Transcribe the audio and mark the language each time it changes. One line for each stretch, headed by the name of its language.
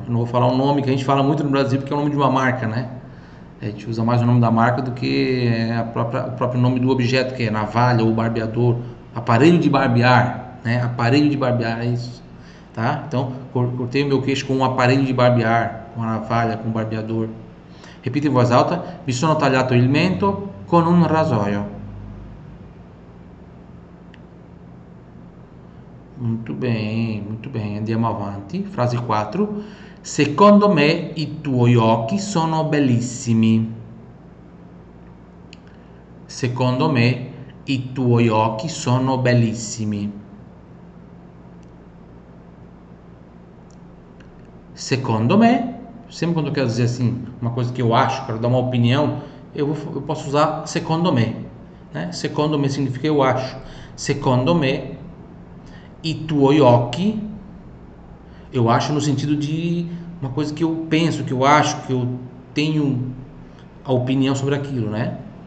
Portuguese: Não vou falar o nome que a gente fala muito no Brasil, porque é o nome de uma marca, né? A gente usa mais o nome da marca do que o próprio nome do objeto, que é navalha ou barbeador. Aparelho de barbear, né? Aparelho de barbear, é isso. Tá? Então, cortei o meu queixo com um aparelho de barbear, com a navalha, com o barbeador. Repita em voz alta.
Italian: Mi sono tagliato il mento con un rasoio.
Portuguese: Muito bem,
Italian: andiamo avanti.
Portuguese: Frase 4.
Italian: Secondo me i tuoi occhi sono bellissimi. Secondo me i tuoi occhi sono bellissimi.
Portuguese: Secondo me, sempre quando eu quero dizer assim, uma coisa que eu acho, quero dar uma opinião, eu posso usar
Italian: secondo me,
Portuguese: né?
Italian: Secondo me
Portuguese: significa eu acho. Secondo me.
Italian: I tuoi occhi,
Portuguese: eu acho no sentido de uma coisa que eu penso, que eu acho, que eu tenho a opinião sobre aquilo, né?